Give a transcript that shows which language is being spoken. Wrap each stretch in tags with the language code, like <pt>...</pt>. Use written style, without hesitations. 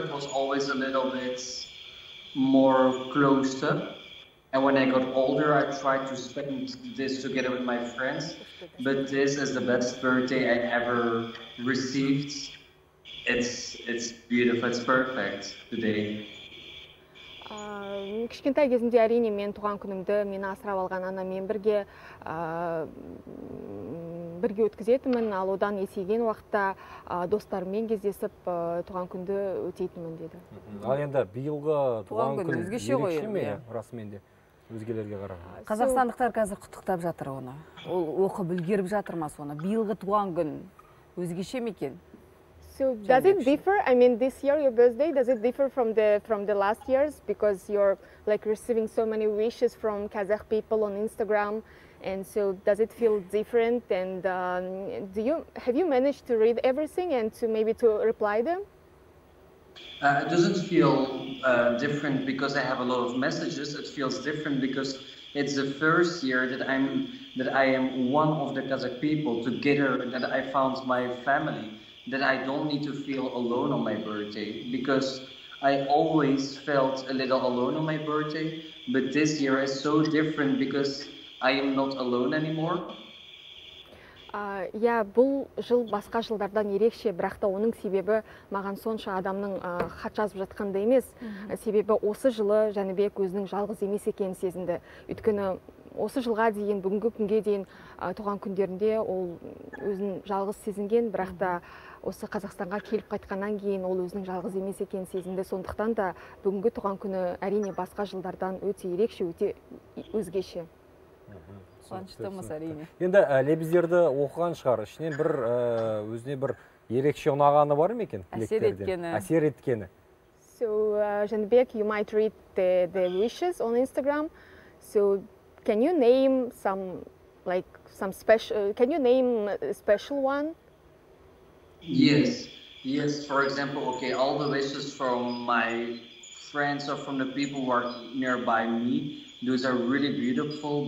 <en>It was always a little bit more closed up. And when I got older, I tried to spend this together with my friends. But this is the best birthday I ever received. It's beautiful, it's perfect today.</en> <kk>Кішкентай кезімде әрине мен туған күнімді мені асырап алған анаммен бірге өткізетінмін, ал одан есейген уақытта достарыммен кездесіп туған күнді өтейтінмін деді. Ал енді биылғы туған күн өзгеше ме? Расымен де. Өзгелерге қарап. Қазақстандықтар қазір құттықтап жатыр оны. Ол оқып үлгеріп жатыр ма соны? Биылғы туған күн өзгеше ме екен?</kk> <en>So does it differ? I mean, this year your birthday, does it differ from the last years? Because you're like receiving so many wishes from Kazakh people on Instagram, and so does it feel different? And have you managed to read everything and to maybe to reply them? It doesn't feel different because I have a lot of messages. It feels different because it's the first year that I am one of the Kazakh people together, that I found my family, that I don't need to feel alone on my birthday, because I always felt a little alone on my birthday, but this year is so different because I am not alone anymore.</en> <kk>Я бұл жыл басқа жылдардан ерекше, бірақ та оның себебі маған сонша адамның хат жазып жатқанда емес, себебі осы жылы Жәнібек өзінің жалғыз емес екенін сезінді. Өйткені осы жылға дейін, бүгінгі күнге дейін туған күндерінде ол өзін жалғыз сезінген, бірақ та осы Қазақстанға келіп қайтқаннан кейін ол өзінің жалғыз емес екенін сезінді. Сондықтан да бүгінгі туған күні әрине басқа жылдардан өте ерекше, өте өзгеше. Қуаныштымыз әрине. Енді лебіздерді оқыған шығар, ішінен бір өзіне бір ерекше ұнағаны бар ма екен? Әсер еткені.</kk> <en>So, Жәнібек, you might read the wishes on Instagram. So, can you name a special one? Yes. For example, okay, all the wishes from my friends or from the people who are nearby me, those are really beautiful.</en>